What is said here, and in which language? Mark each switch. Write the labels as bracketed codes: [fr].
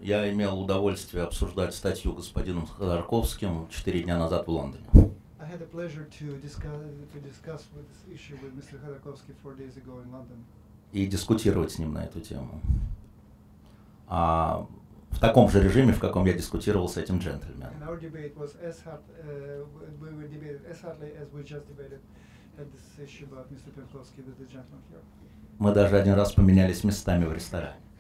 [ru] я имел удовольствие обсуждать статью господином Ходорковским 4 дня назад в Лондоне. [en] I had the pleasure to discuss with this issue with Mr. Ходорковский 4 days ago in London. [ru] И дискутировать с ним на эту тему. А в таком же режиме, в каком я дискутировал с этим джентльменом. [en] And our debate was as hard, we were debated as hardly as we just debated at this issue about Mr. Ходорковский with the gentleman here. [ru] Мы даже один раз поменялись местами в ресторане.